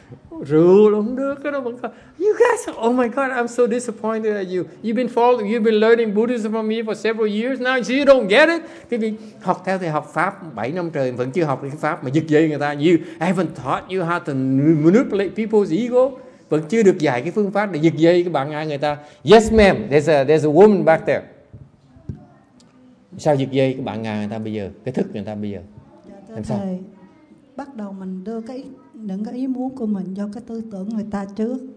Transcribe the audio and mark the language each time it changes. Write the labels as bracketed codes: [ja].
[en] You guys, oh my God, I'm so disappointed at you. You've been learning Buddhism from me for several years now, so you don't get it. [vi] Học theo thì học Pháp 7 năm trời vẫn chưa học được Pháp mà giật dây người ta. [en] You haven't taught you how to manipulate people's ego. [vi] Vẫn chưa được dạy cái phương pháp để giật dây cái bạn ai người ta. [en] Yes ma'am, there's a woman back there. [vi] Sao giật dây cái bạn ngài người ta bây giờ, cái thức người ta bây giờ? Làm sao? Thầy, bắt đầu mình đưa cái những cái ý muốn của mình cho cái tư tưởng người ta trước.